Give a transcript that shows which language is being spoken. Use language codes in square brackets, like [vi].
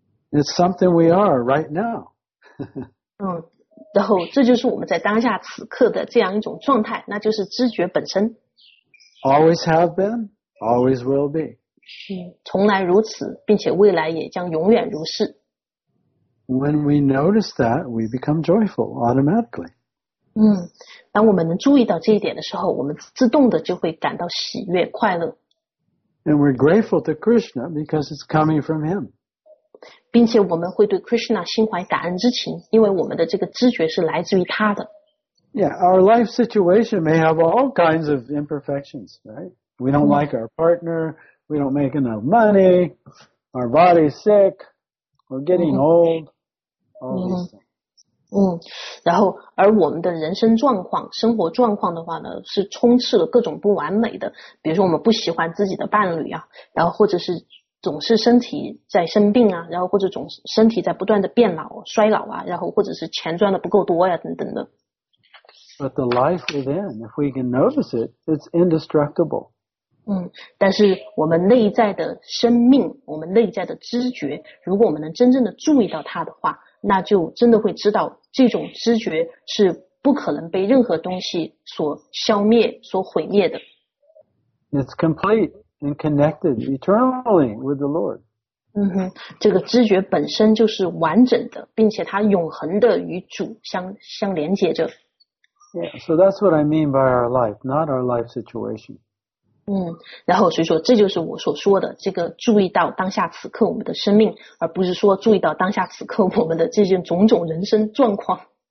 [en] It's something we are right now. [zh] 然后这就是我们在当下此刻的这样一种状态，那就是知觉本身。 [en] Always have been, always will be. [zh] 从来如此，并且未来也将永远如是。 [en] When we notice that, we become joyful automatically. [zh] 当我们能注意到这一点的时候，我们自动的就会感到喜悦、快乐。 [en] And we're grateful to Krishna because it's coming from him. [zh] 并且我们会对 Krishna 心怀感恩之情，因为我们的这个知觉是来自于他的。 [en] Yeah, our life situation may have all kinds of imperfections, right? We don't like our partner, we don't make enough money, our body's sick, we're getting old, all these things. [zh] 然后而我们的人生状况生活状况的话呢是充斥了各种不完美的，比如说我们不喜欢自己的伴侣啊，然后或者是总是身体在生病啊，然后或者总是身体在不断的变老衰老啊，然后或者是钱赚的不够多呀，等等的。 [en] But the life within, if we can notice it, it's indestructible. [zh] 但是我们内在的生命，我们内在的知觉，如果我们能真正的注意到它的话，那就真的会知道这种知觉是不可能被任何东西所消灭、所毁灭的。 [en] It's complete and connected eternally with the Lord. [zh] 这个知觉本身就是完整的，并且它永恒的与主相连接着。 [en] Yeah, so that's what I mean by our life, not our life situation. [zh] 然后所以说这就是我所说的这个注意到当下此刻我们的生命，而不是说注意到当下此刻我们的这些种种人生状况。